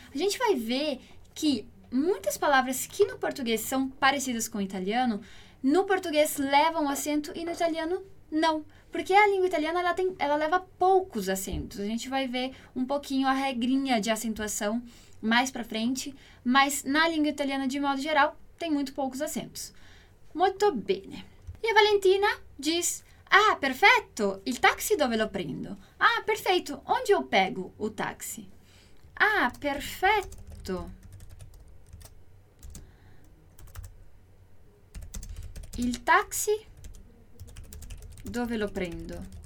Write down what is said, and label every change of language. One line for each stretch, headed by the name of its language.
Portuguese: A gente vai ver que muitas palavras que no português são parecidas com o italiano, no português levam acento e no italiano não. Porque a língua italiana ela leva poucos acentos. A gente vai ver um pouquinho a regrinha de acentuação mais pra frente, mas na língua italiana, de modo geral, tem muito poucos acentos.
Italian: Molto bene.
Portuguese: E a Valentina diz,
Italian: ah, perfetto, il taxi dove lo prendo?
Portuguese: Ah, perfeito, onde eu pego o táxi?
Italian: Ah, perfetto. Il taxi dove lo prendo?